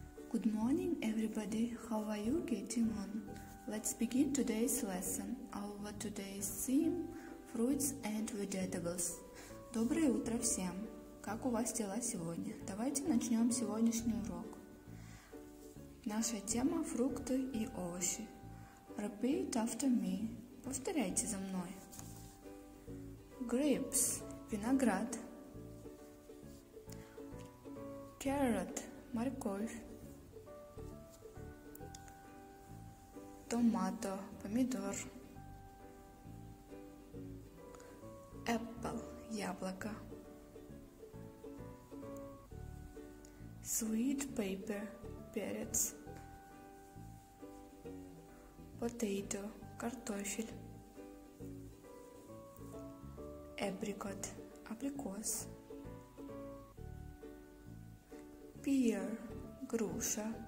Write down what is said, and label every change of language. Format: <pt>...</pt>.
<en>Good morning, everybody. How are you getting on? Let's begin today's lesson. Our today's theme – fruits and vegetables.</en> <ru>Доброе утро всем! Как у вас дела сегодня? Давайте начнем сегодняшний урок. Наша тема – фрукты и овощи.</ru> <en>Repeat after me.</en> <ru>Повторяйте за мной.</ru> <en>Grapes – виноград. Carrot – морковь. Томато, помидор. Apple, яблоко. Sweet pepper, перец. Potato, картофель. Apricot, абрикос. Pear, груша.</en>